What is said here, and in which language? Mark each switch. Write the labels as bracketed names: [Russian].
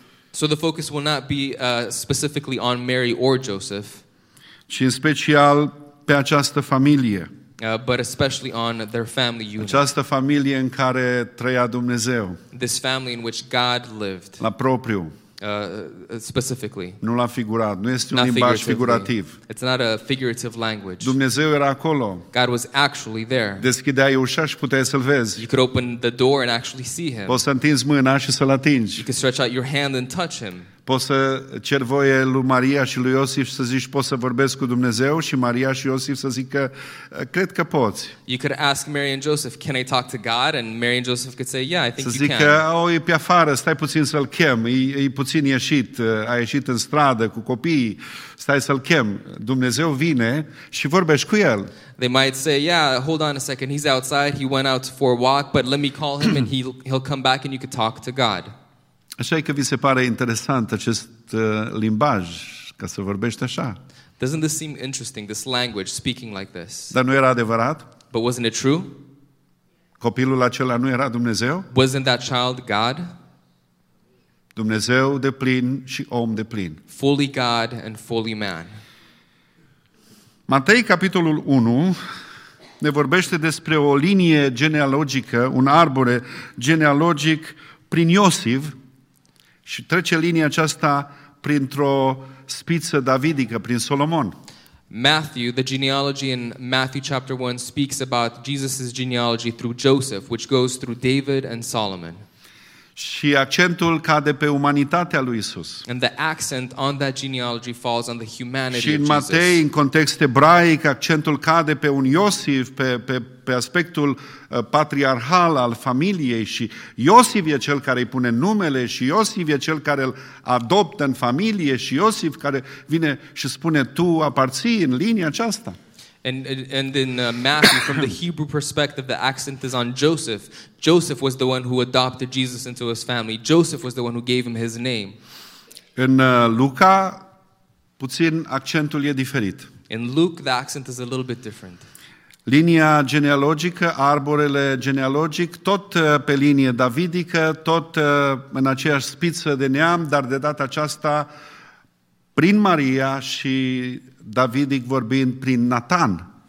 [English] So the focus will not be specifically on Mary or Joseph. [Romanian] Și în special pe această familie. [English] But especially on their family unit. [Romanian] Această familie în care trăia Dumnezeu. [English] This family in which God lived. [Romanian] La propriu. [English] Specifically. [Romanian] Nu l-a figurat. Nu este un limbaj figurativ. [English] It's not a figurative language. [Romanian] Dumnezeu era acolo. [English] God was actually there. [Romanian] Deschideai ușa și puteai să-l vezi. [English] You could open the door and actually see him. [Romanian] Poți să întinzi mâna și să-l atingi. [English] You could stretch out your hand and touch him. [Romanian] Poți să cer voie lui Maria și lui Iosif să zici poți să vorbesc cu Dumnezeu și Maria și Iosif să zică cred că poți. [English] You could ask Mary and Joseph, can I talk to God? And Mary and Joseph could say, yeah, I think [Romanian] să [English] you [Romanian] zică, [English] can. [Romanian] Să zică, e pe afară, stai puțin să-l chem, e puțin ieșit, a ieșit în stradă cu copiii, stai să-l chem. Dumnezeu vine și vorbești cu el. [English] They might say, yeah, hold on a second, he's outside, he went out for a walk, but let me call him and he'll come back and you could talk to God. [Romanian] Așa e că vi se pare interesant acest limbaj, ca să vorbești așa. [English] Doesn't this seem interesting, this language, speaking like this? [Romanian] Dar nu era adevărat? [English] But wasn't it true? [Romanian] Copilul acela nu era Dumnezeu? [English] Wasn't that child God? [Romanian] Dumnezeu de plin și om de plin. [English] Fully God and fully man. [Romanian] Matei, capitolul 1, ne vorbește despre o linie genealogică, un arbore genealogic prin Iosif, și trece linia aceasta printr-o spiță davidică, prin Solomon. [English] Matthew, the genealogy in Matthew chapter 1 speaks about Jesus' genealogy through Joseph, which goes through David and Solomon. [Romanian] Și accentul cade pe umanitatea lui Isus. [English] And the accent on that genealogy falls on the humanity of [Romanian] Jesus. Și în Matei, în context ebraic, accentul cade pe un Iosif, pe aspectul patriarhal al familiei și Iosif e cel care îi pune numele și Iosif e cel care îl adoptă în familie și Iosif care vine și spune tu aparții în linia aceasta. [English] And in Matthew, from the Hebrew perspective, the accent is on Joseph. Joseph was the one who adopted Jesus into his family. Joseph was the one who gave him his name. [Romanian] În Luca, puțin accentul e diferit. [English] In Luke, the accent is a little bit different. [Romanian] Linia genealogică, arborele genealogic, tot pe linie davidică, tot în aceeași spiță de neam, dar de data aceasta prin Maria și Davidic vorbind prin Nathan.